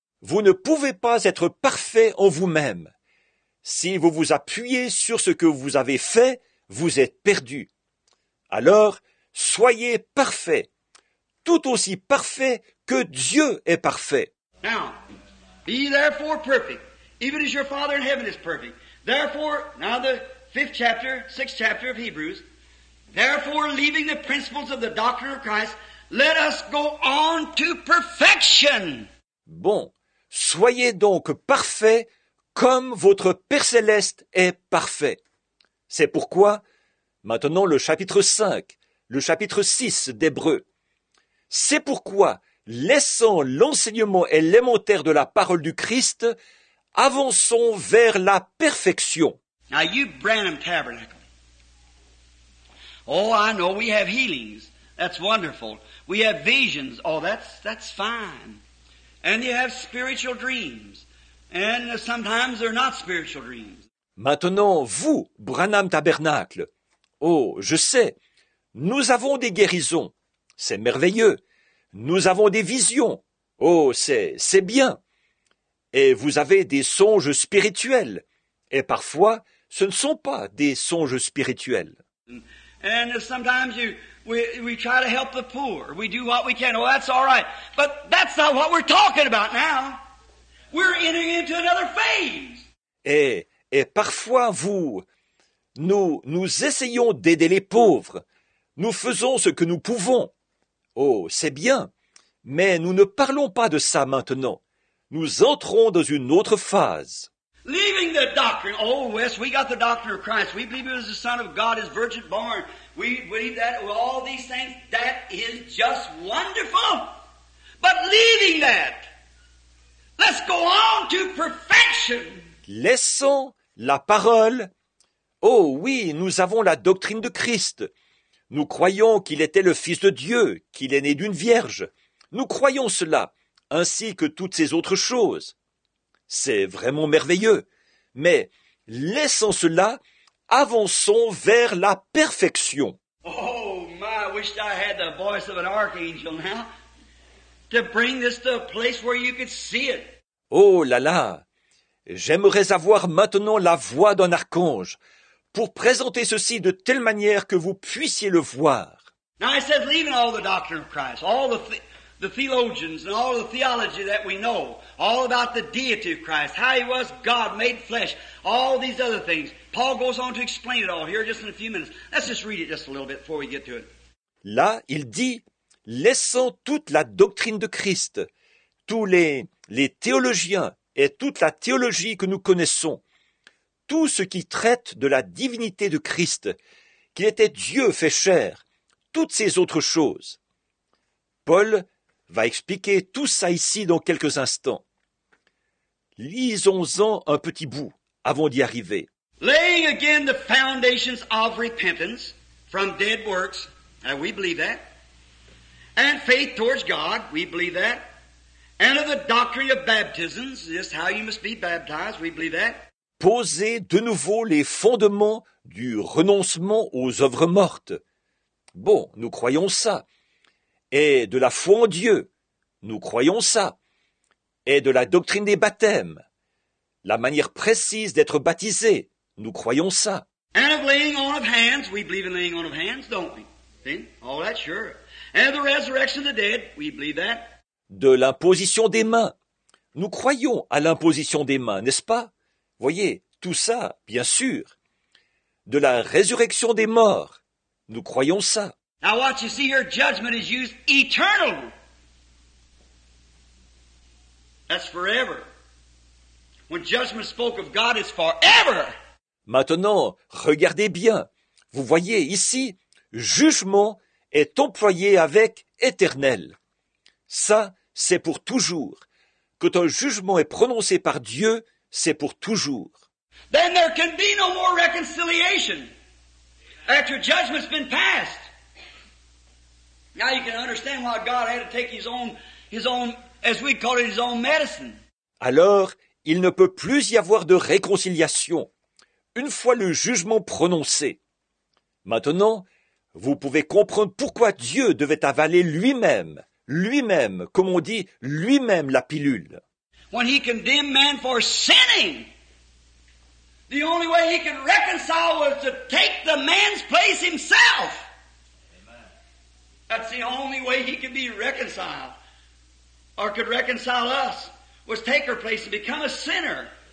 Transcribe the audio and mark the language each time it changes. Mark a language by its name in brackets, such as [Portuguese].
[French] Vous ne pouvez pas être parfait en vous-même. Si vous vous appuyez sur ce que vous avez fait, vous êtes perdu. Alors, soyez parfait, tout aussi parfait que Dieu est parfait. [English] Now, be therefore perfect, even as your Father in heaven is perfect. Therefore, now the fifth chapter, sixth chapter of Hebrews, therefore, leaving the principles of the doctrine of Christ, let us go on to perfection. [French] Bon, soyez donc parfait comme votre Père Céleste est parfait. C'est pourquoi, maintenant le chapitre 5, le chapitre 6 d'Hébreux. C'est pourquoi, laissant l'enseignement élémentaire de la parole du Christ, avançons vers la perfection. [English] Now you Branham Tabernacle. Oh, I know we have healings. That's wonderful. We have visions. Oh, that's fine. And you have spiritual dreams. And sometimes they're not spiritual dreams. [French] Maintenant, vous, Branham Tabernacle. Oh, je sais. Nous avons des guérisons. C'est merveilleux. Nous avons des visions. Oh, c'est bien. Et vous avez des songes spirituels. Et parfois, ce ne sont pas des songes spirituels. [English] And sometimes we try to help the poor. We do what we can. Oh, that's all right. But that's not what we're talking about now. We're entering into another phase. [French] Et parfois, nous essayons d'aider les pauvres. Nous faisons ce que nous pouvons. Oh, c'est bien. Mais nous ne parlons pas de ça maintenant. Nous entrons dans une autre phase. [English] Leaving the doctrine. Oh, yes, we got the doctrine of Christ. We believe he was the Son of God, his virgin born. We believe that with all these things. That is just wonderful. But leaving that, let's go on to perfection. [French] Laissons la parole. Oh oui, nous avons la doctrine de Christ. Nous croyons qu'il était le Fils de Dieu, qu'il est né d'une vierge. Nous croyons cela, ainsi que toutes ces autres choses. C'est vraiment merveilleux. Mais laissons cela, avançons vers la perfection. [English] Oh, my, I wish I had the voice of an archangel now to bring this to a place where you could see it. [French] Oh là là, j'aimerais avoir maintenant la voix d'un archange pour présenter ceci de telle manière que vous puissiez le voir. [English] Now it says leaving all the doctrine of Christ, all the theologians and all the theology that we know, all about the deity of Christ, how he was God made flesh, all these other things. Paul goes on to explain it all here just in a few minutes. Let's just read it just a little bit before we get to it. [French] Là, il dit, laissant toute la doctrine de Christ, tous les théologiens et toute la théologie que nous connaissons, tout ce qui traite de la divinité de Christ, qu'il était Dieu fait chair, toutes ces autres choses. Paul va expliquer tout ça ici dans quelques instants. Lisons-en un petit bout avant d'y arriver. [English] Laying again the foundations of repentance from dead works, and we believe that, and faith towards God, we believe that, and of the doctrine of baptisms, this is how you must be baptized, we believe that. [French] Poser de nouveau les fondements du renoncement aux œuvres mortes. Bon, nous croyons ça. Et de la foi en Dieu, nous croyons ça. Et de la doctrine des baptêmes, la manière précise d'être baptisé, nous croyons ça. [English] And of laying on of hands, we believe in laying on of hands, don't we? Then, all that, sure. And the resurrection of the dead, we believe that. [French] De l'imposition des mains. Nous croyons à l'imposition des mains, n'est-ce pas? Voyez, tout ça, bien sûr. De la résurrection des morts, nous croyons ça. [English] Now watch, you see, your judgment is used eternal. That's forever. When judgment spoke of God, it's forever. [French] Maintenant, regardez bien. Vous voyez ici, jugement est employé avec éternel. Ça, c'est pour toujours. Quand un jugement est prononcé par Dieu, c'est pour toujours. [English] Then there can be no more reconciliation after judgment's been passed. Now you can understand why God had to take his own, as we call it, his own medicine. [French] Alors, il ne peut plus y avoir de réconciliation une fois le jugement prononcé. Maintenant, vous pouvez comprendre pourquoi Dieu devait avaler lui-même, comme on dit, lui-même la pilule. [English] When he condemned man for sinning, the only way he could reconcile was to take the man's place himself. Amen. That's the only way he could be reconciled, or could reconcile us, was take her place and become a sinner.